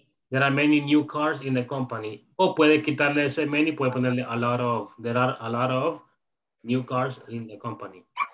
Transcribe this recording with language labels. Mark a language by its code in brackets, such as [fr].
[en] There are many new cars in the company. [es] O puede quitarle ese many, puede ponerle a lot of. [en] There are a lot of new cars in the company.